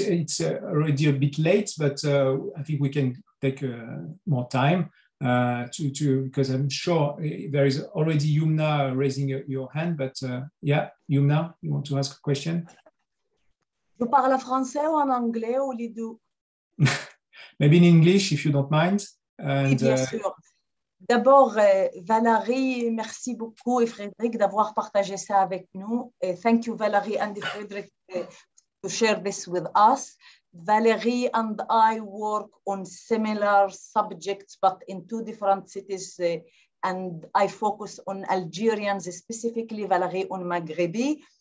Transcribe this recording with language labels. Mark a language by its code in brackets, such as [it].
[en] It's already a bit late, but I think we can take more time to because I'm sure there is already Yumna raising your hand. But Yumna, you want to ask a question? [fr] Je parle français ou en anglais ou les deux? [en] Maybe in English, if you don't mind. [fr] And, bien sûr. D'abord, Valérie, merci beaucoup, et Frédéric, d'avoir partagé ça avec nous. [en] Thank you, Valérie and Frédéric, to share this with us. Valérie and I work on similar subjects, but in two different cities, and I focus on Algerians, specifically Valérie on Maghrebi.